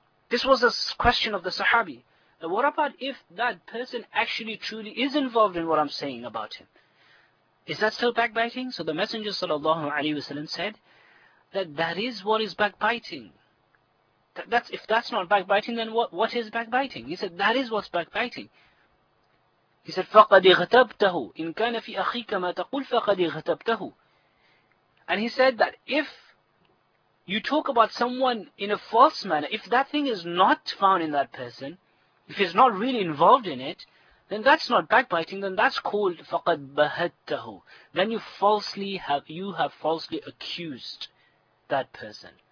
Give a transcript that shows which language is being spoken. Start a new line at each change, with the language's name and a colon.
English: This was a question of the Sahabi. What about if that person actually truly is involved in what I'm saying about him? Is that still backbiting? So the Messenger sallallahu alaihi wasallam said that is what is backbiting. That's if that's not backbiting, then what is backbiting? He said that is what's backbiting. He said
Arabic: فَقَدْ اِغْتَبْتَهُ إِن كَانَ فِي أَخِيكَ مَا تَقُولُ فَقَدْ اِغْتَبْتَهُ.
English: And he said that if you talk about someone in a false manner, if that thing is not found in that person, if he's not really involved in it, then that's not backbiting, then that's called
Arabic: فَقَدْ بَهَدْتَهُ.
English: Then you have falsely accused that person.